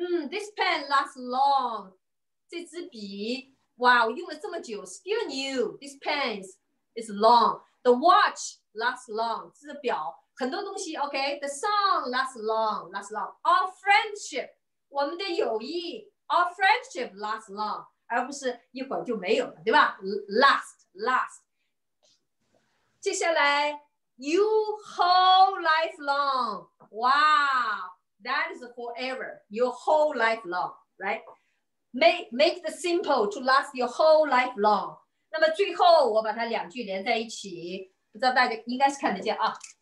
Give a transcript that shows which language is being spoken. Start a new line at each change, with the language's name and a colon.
English: This pen lasts long，这支笔哇我用了这么久 still new， this pen is long。 The watch lasts long，这是表，很多东西 OK。 The song lasts long。
Chinese: Our friendship，我们的友谊 our friendship lasts long，而不是一会儿就没有了，对吧？
English: last。接下来 You whole life long. Wow, that is forever. Your whole life long, right? Make the simple to last your whole life long.
Chinese: 那么最后我把它两句连在一起，不知道大家应该是看得见啊。